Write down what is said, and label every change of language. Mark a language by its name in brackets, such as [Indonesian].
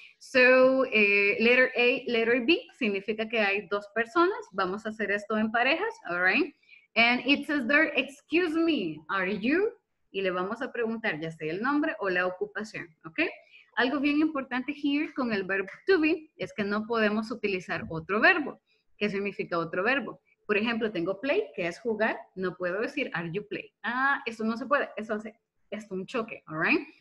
[English] So, letter A, letter B, [Spanish] significa que hay dos personas. Vamos a hacer esto en parejas, [English] all right? And it says there, excuse me, are you? [Spanish] Y le vamos a preguntar, ya sea el nombre o la ocupación, okay? Algo bien importante here con el verbo to be es que no podemos utilizar otro verbo. ¿Qué significa otro verbo? Por ejemplo, tengo play, que es jugar. No puedo decir, [English] are you play? [Spanish] Ah, eso no se puede. Eso hace esto un choque, [English] all right?